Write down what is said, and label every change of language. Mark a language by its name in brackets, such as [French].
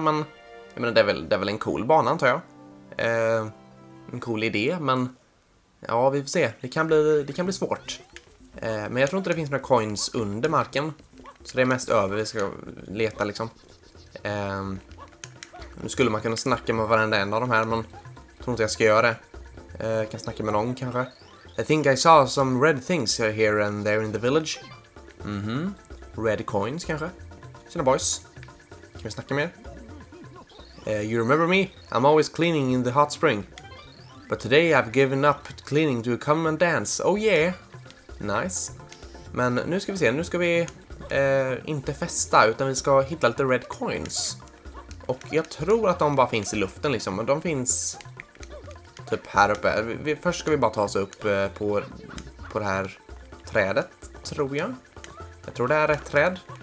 [Swedish] Men jag menar, det är väl en cool bana antar jag. En cool idé, men ja, vi får se, det kan bli svårt. Men jag tror inte det finns några coins under marken. Så det är mest över vi ska leta liksom. Nu skulle man kunna snacka med varenda en av de här. Men jag tror inte jag ska göra det. Jag kan snacka med någon kanske. [English] I think I saw some red things here and there in the village. [Swedish] Mm-hmm. Red coins kanske. Tjena boys. Kan vi snacka mer? [English] You remember me? I'm always cleaning in the hot spring. But today I've given up cleaning to come and dance. Oh yeah. Nice. [Swedish] Men nu ska vi [English] se, nu ska vi [Swedish] inte festa, utan vi ska hitta lite red coins. Och jag tror att de bara finns i luften liksom, men de finns typ här uppe. Först ska vi bara ta oss upp på det här trädet, tror jag. Jag tror det är rätt träd.